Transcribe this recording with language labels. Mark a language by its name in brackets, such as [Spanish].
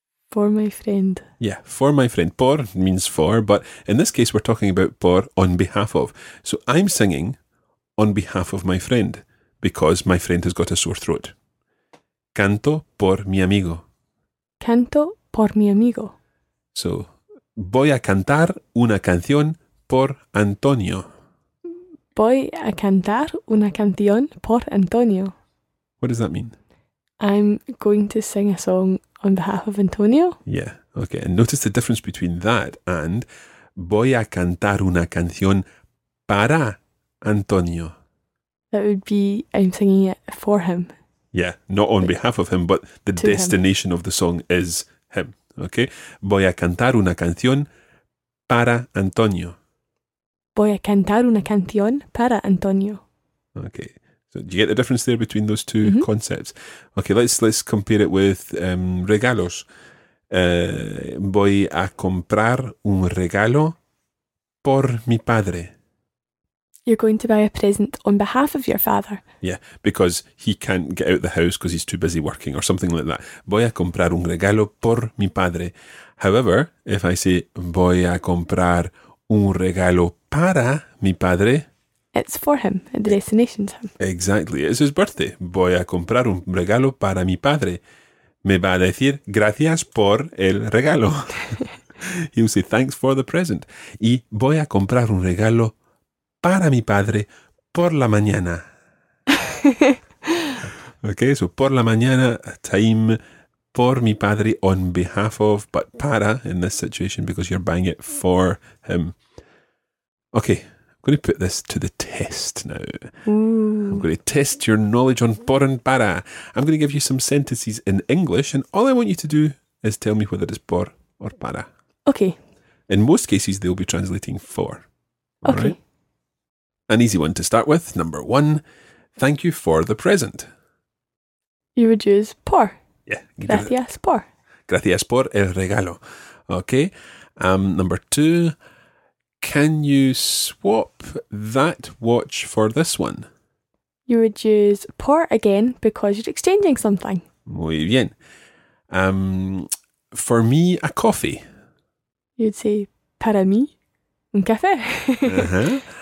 [English] For my friend. Yeah, for my friend. Por means for, but in this case we're talking about por on behalf of. So I'm singing on behalf of my friend because my friend has got a sore throat. [Spanish] Canto por mi amigo. Canto por mi amigo. So, voy a cantar una canción por Antonio. Voy a cantar una canción por Antonio. [English] What does that mean? I'm going to sing a song on behalf of Antonio. Yeah, okay. And notice the difference between that and [Spanish] voy a cantar una canción para Antonio. [English] That would be I'm singing it for him. Yeah, not on behalf of him, but the destination of the song is him. Okay. [Spanish] Voy a cantar una canción para Antonio. Voy a cantar una canción para Antonio. [English] Okay. So do you get the difference there between those two mm-hmm. concepts? Okay, let's compare it with regalos. [Spanish] Voy a comprar un regalo por mi padre. [English] You're going to buy a present on behalf of your father. Yeah, because he can't get out of the house because he's too busy working or something like that. [Spanish] Voy a comprar un regalo por mi padre. [English] However, if I say [Spanish] voy a comprar un regalo para mi padre. [English] It's for him. The destination's him. Exactly. It's his birthday. [Spanish] Voy a comprar un regalo para mi padre. Me va a decir gracias por el regalo. [English] He'll say thanks for the present. [Spanish] Y voy a comprar un regalo para mi padre por la mañana. [English] Okay, so [Spanish] por la mañana, [English] time for [Spanish] mi padre [English] on behalf of, but para in this situation because you're buying it for him. Okay, I'm going to put this to the test now. Ooh. I'm going to test your knowledge on por and para. I'm going to give you some sentences in English, and all I want you to do is tell me whether it's por or para. Okay. In most cases, they'll be translating for. All okay. Right? An easy one to start with. Number one, thank you for the present. You would use por. Yeah. [Spanish] Gracias por. Gracias por el regalo. [English] Okay. Number two, Can you swap that watch for this one? You would use por again because you're exchanging something. [Spanish] Muy bien. [English] For me, a coffee. You'd say [Spanish] para mí, un café.